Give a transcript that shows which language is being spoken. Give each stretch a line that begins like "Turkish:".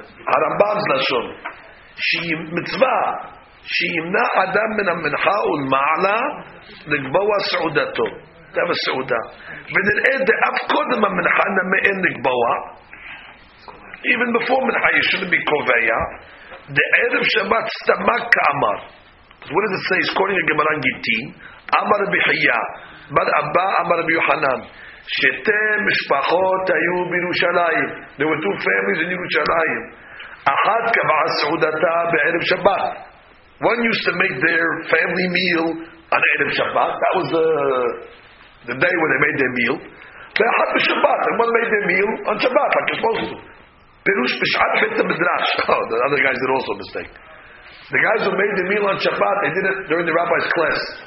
Hebrew: הרמב״ם לשון מצווה שימנע אדם מן המנחה ולמעלה לקבוע סעודתו. זה בסעודה. ונראה דאף קודם המנחה נמאן לקבוע.
English: Even before
Hebrew: מנחה ישנה בקובעיה. דערב שבת סתמק כאמר.
English: What does it say? It's calling a Gemara Gittin.
Hebrew: אמר בחייה. בר אבא אמר ביוחנן. שתי משפחות היו בירושלים.
English: There were two families in ירושלים.
Hebrew: אחת קבעה סעודתה בערב שבת.
English: One used to make their family meal on ערב שבת. That was the day when they made their meal.
Hebrew: ואחת בשבת.
English: And one made their meal on שבת, like supposed to.
Hebrew: פירוש בשעת בית המדרש.
English: Oh, the other guys did also a mistake. The guys who made the meal on Shabbat, they did it during the rabbi's class.